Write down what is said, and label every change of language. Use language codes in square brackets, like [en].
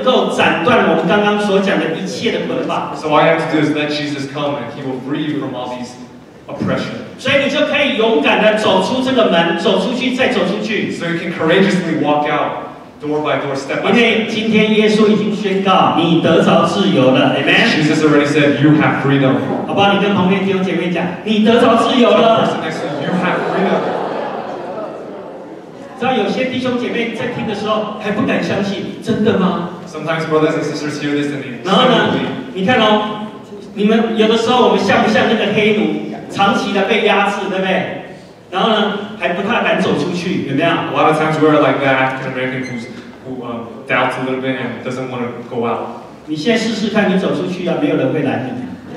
[zh] 所以你只要让耶稣在你的里面，你就能够斩断我们刚刚所讲的一切的捆绑。 [en] So all you have to do is let Jesus come and he will free you from all these oppression. [zh] 所以你就可以勇敢的走出这个门，走出去，再走出去。 [en] So you can courageously walk out door by door, step by step. [zh] 因为今天耶稣已经宣告你得着自由了。Amen. [en] Jesus already said you have freedom. [zh] 好吧，你跟旁边弟兄姐妹讲，你得着自由了。 [en] You have freedom. [zh] 知道有些弟兄姐妹在听的时候还不敢相信，真的吗？ [en] Sometimes brothers and sisters hear this and they don't believe. [zh] 然后呢，你看哦，你们有的时候我们像不像那个黑奴，长期的被压制，对不对？然后呢，还不太敢走出去，有没有？ [en] A lot of times we're like that African American who doubts a little bit and doesn't want to go out. [zh] 你先试试看，你走出去啊，没有人会拦你。